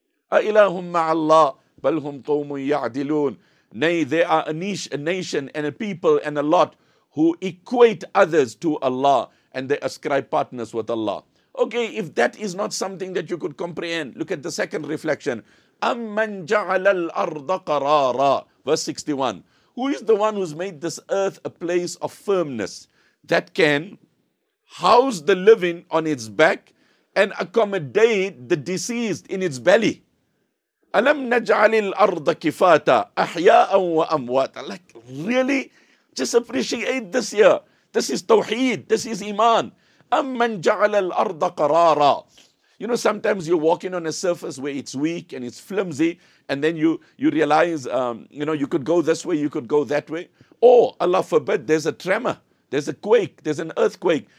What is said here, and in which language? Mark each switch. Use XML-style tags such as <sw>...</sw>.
<ar>أَإِلَهُمَّ عَلَّهُ بَلْ هُمْ قَوْمٌ يَعْدِلُونَ</ar> <en>Nay, they are a niche, a nation, and a people, and a lot who equate others to Allah, and they ascribe partners with Allah. Okay, if that is not something that you could comprehend, look at the second reflection.</en> <ar>أَمَّنْ جَعَلَ الْأَرْضَ قَرَارًا</ar> <en>Verse 61. Who is the one who's made this earth a place of firmness that can house the living on its back and accommodate the deceased in its belly?</en> <ar>أَلَمْ نَجْعَلِ الْأَرْضَ كِفَاتًا أَحْيَاءً وَأَمْوَاتًا</ar> <en>Like, really? Just appreciate this here. This is tawheed. This is iman.</en> <ar>أَمَّنْ جَعَلَ الْأَرْضَ قَرَارًا</ar> <en>You know, sometimes you're walking on a surface where it's weak and it's flimsy, and then you realize, you know, you could go this way, you could go that way. Or, Allah forbid, there's a tremor, there's a quake, there's an earthquake.</en>